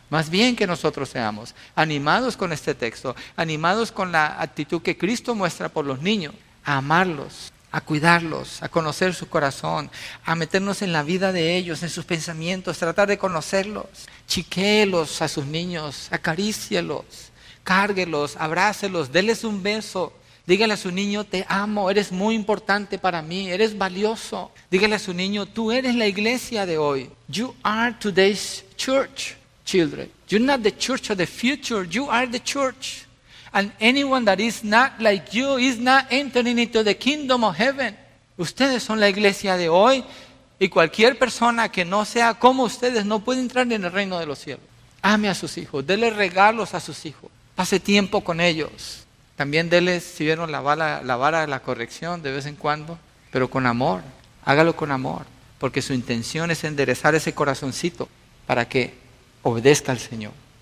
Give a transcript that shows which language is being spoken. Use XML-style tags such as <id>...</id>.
<es>Más bien que nosotros seamos animados con este texto, animados con la actitud que Cristo muestra por los niños, a amarlos, a cuidarlos, a conocer su corazón, a meternos en la vida de ellos, en sus pensamientos, tratar de conocerlos, chiquéelos a sus niños, acarícielos, cárguelos, abrácelos, déles un beso, dígale a su niño, te amo, eres muy importante para mí, eres valioso, dígale a su niño, tú eres la iglesia de hoy,</es> <en>you are today's church. Children, you're not the church of the future, you are the church. And anyone that is not like you is not entering into the kingdom of heaven.</en> <es>Ustedes son la iglesia de hoy y cualquier persona que no sea como ustedes no puede entrar en el reino de los cielos. Ame a sus hijos, dele regalos a sus hijos, pase tiempo con ellos. También deles, si vieron la vara de la corrección de vez en cuando, pero con amor, hágalo con amor, porque su intención es enderezar ese corazoncito para que obedezca al Señor.</es>